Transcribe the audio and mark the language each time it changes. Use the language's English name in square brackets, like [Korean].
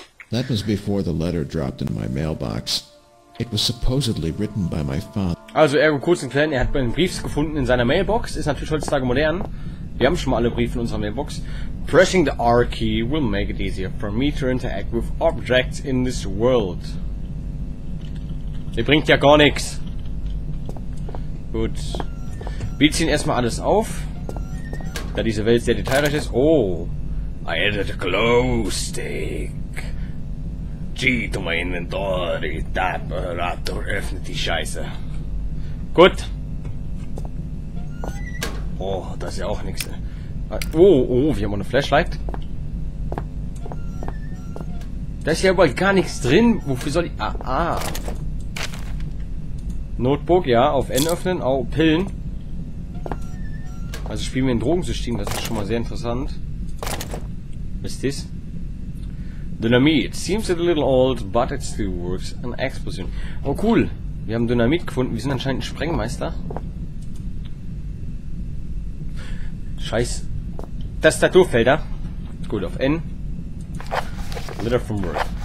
[English] That was before the letter dropped in my mailbox. It was supposedly written by my father. [German] Also, ergo kurz und klein, er hat einen Brief gefunden in seiner Mailbox. Ist natürlich heutzutage modern. Wir haben schon mal alle Briefe in unserer Mailbox. [English] Pressing the R key will make it easier for me to interact with objects in this world. [German] Der bringt ja gar nichts. Gut. Wir ziehen erstmal alles auf. Da diese Welt sehr detailreich ist. Oh. [English] I added a glow stick. G to my inventory. [German] Tapperator öffnet die Scheiße. Gut. Oh, das ist ja auch nichts. Oh, oh, wir haben auch eine Flashlight. Da ist ja überhaupt gar nichts drin. Wofür soll ich. Ah, ah. Notebook, ja, auf N öffnen, auch Pillen. Also spielen wir ein Drogensystem, das ist schon mal sehr interessant. Was ist das? Dynamit. [English] Seems a little old, but it still works. An Explosion. [German] Oh cool, wir haben Dynamit gefunden. Wir sind anscheinend ein Sprengmeister. Scheiß. Tastaturfelder. Gut, auf N. [English] Letter from work.